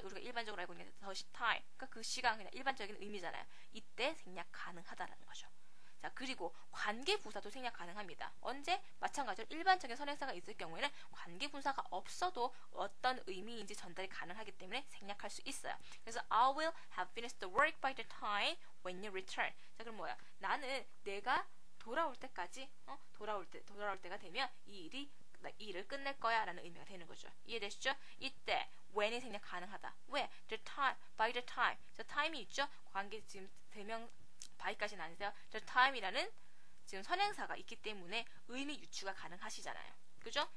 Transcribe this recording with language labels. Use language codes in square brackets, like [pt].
[ko] 우리가 일반적으로 알고 있는 the time. 그러니까 그 시간, 그냥 일반적인 의미잖아요. 이때 생략 가능하다라는 거죠. 자, 그리고 관계부사도 생략 가능합니다. 언제? 마찬가지로 일반적인 선행사가 있을 경우에는 관계부사가 없어도 어떤 의미인지 전달이 가능하기 때문에 생략할 수 있어요. [en] 그래서 I will have finished the work by the time when you return. [ko] 자, 그럼 뭐야? 나는 내가 돌아올 때까지 돌아올 때가 되면 이 일이 나 일을 끝낼 거야 라는 의미가 되는 거죠. 이해되시죠? 이때 when이 생략 가능하다. 왜? the time, by the time. 저 time이 있죠? 관계 지금 대명 by까지는 아니세요. the time이라는 지금 선행사가 있기 때문에 의미 유추가 가능하시잖아요. 그죠?